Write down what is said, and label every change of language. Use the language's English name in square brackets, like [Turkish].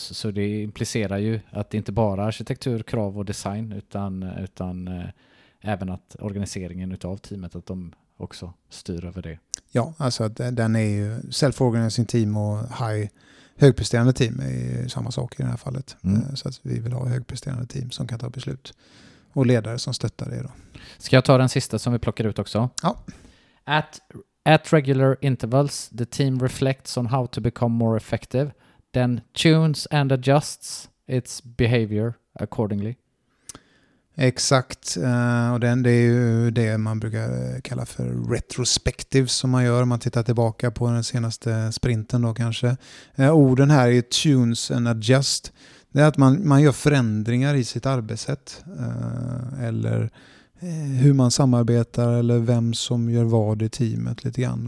[Swedish] Så det implicerar ju att det inte bara är arkitektur, krav och design, utan även att organiseringen utav teamet, att de också styr över det. Ja, alltså att den är ju self-organizing team och högpresterande team är ju samma sak i det här fallet. Mm. Så att vi vill ha högpresterande team som kan ta beslut och ledare som stöttar det då. Ska jag ta den sista som vi plockar ut också? Ja. [English] At regular intervals, the team reflects on how to become more effective, then tunes and adjusts its behavior accordingly. [Swedish] Exakt, och det är ju det man brukar kalla för retrospective som man gör. Man tittar tillbaka på den senaste sprinten då kanske. Orden här är [English] tunes and adjust. [Swedish] Det är att man gör förändringar i sitt arbetssätt eller hur man samarbetar eller vem som gör vad i teamet lite grann.